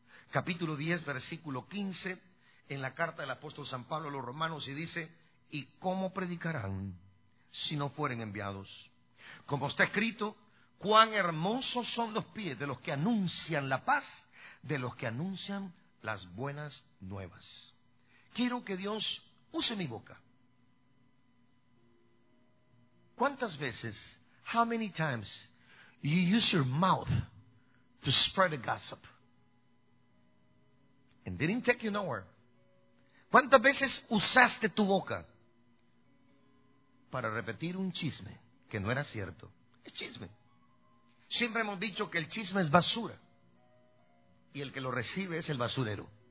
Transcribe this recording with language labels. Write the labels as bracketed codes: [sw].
[es] Capítulo 10, versículo 15, en la carta del apóstol San Pablo a los romanos, y dice, ¿y cómo predicarán si no fueren enviados? Como está escrito, cuán hermosos son los pies de los que anuncian la paz, de los que anuncian las buenas nuevas. Quiero que Dios use mi boca. ¿Cuántas veces, [en] how many times you use your mouth to spread the gossip and didn't take you nowhere? [es] ¿Cuántas veces usaste tu boca para repetir un chisme que no era cierto? Es chisme. Siempre hemos dicho que el chisme es basura y el que lo recibe es el basurero.